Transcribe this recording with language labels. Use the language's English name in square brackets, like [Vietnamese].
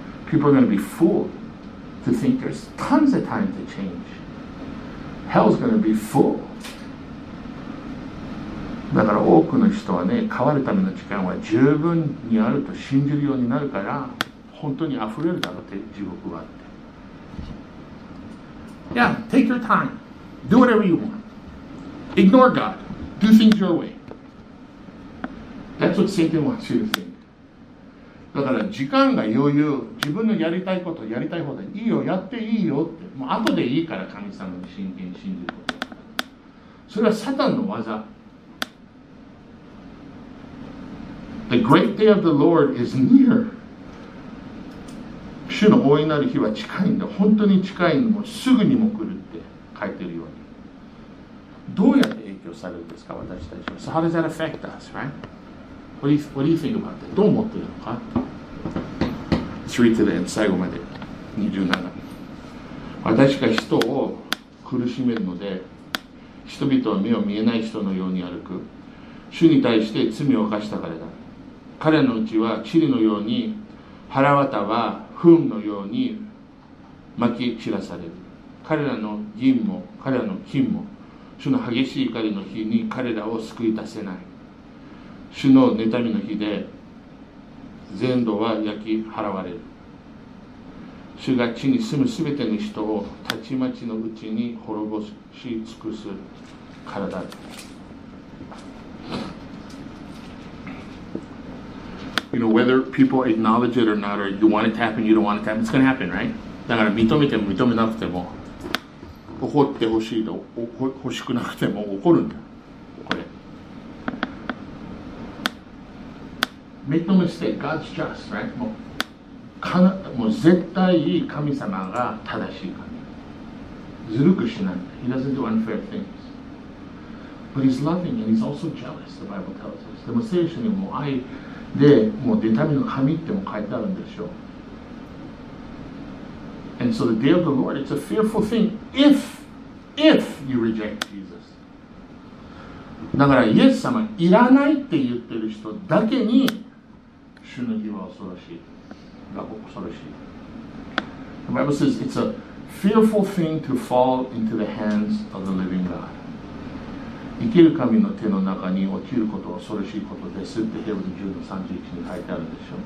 [English] People are going to be fooled to think there's tons of time to change. Hell's going to be full. [Japanese] だから多くの人はね、変わるための時間は十分にあると信じるようになるから、本当に溢れるだろうって、地獄はって。 [English] Yeah, take your time. Do whatever you want. Ignore God. Do things your way. That's what Satan wants you to think. [Japanese] だから時間が余裕、自分のやりたいことをやりたい方でいいよ、やっていいよって、もう後でいいから、神様に真剣に信じること、それはサタンの技。 [English] The great day of the Lord is near. [Japanese] 主の大いなる日は近いんだ。本当に近いの、もうすぐにも来るって書いてるように。どうやって影響されるんですか、私たちは。 [English] So how does that affect us, right? What do you think about that? [Japanese] どう思ってるのか。 [English] Let's read to the end, [Japanese] 最後まで。 [English] 27。 [Japanese] 私が人を苦しめるので、人々は目を見えない人のように歩く。主に対して罪を犯したからだ。彼のうちは塵のように、腹綿は糞のように撒き散らされる。彼らの銀も彼らの金も主の激しい怒りの日に彼らを救い出せない。主の妬みの日で全土は焼き払われる。主が地に住むすべての人をたちまちのうちに滅ぼし尽くすからだ。 [English] You know, whether people acknowledge it or not, or you want it to happen, you don't want it to happen, it's going to happen, right? [Japanese] だから認めても認めなくても、起こってほしいと、欲しくなくても起こるんだ。これ。 [English] Make no mistake, God's just, right? [Japanese] もう絶対いい神様が正しい神。ずるくしない。 [English] He doesn't do unfair things. But he's loving and he's also jealous, the Bible tells us. [Japanese] でも聖書にも愛、で、もう妬みの神っても書いてあるんでしょう。 [English] And so the day of the Lord, it's a fearful thing if you reject Jesus. [Japanese] だから、イエス様、いらないって言ってる人だけに、主の日は恐ろしい。が恐ろしい。 [English] The Bible says, it's a fearful thing to fall into the hands of the living God. [Japanese] 生きる神の手の中に落ちることは恐ろしいことですってヘブル10の31に書いてあるでしょ。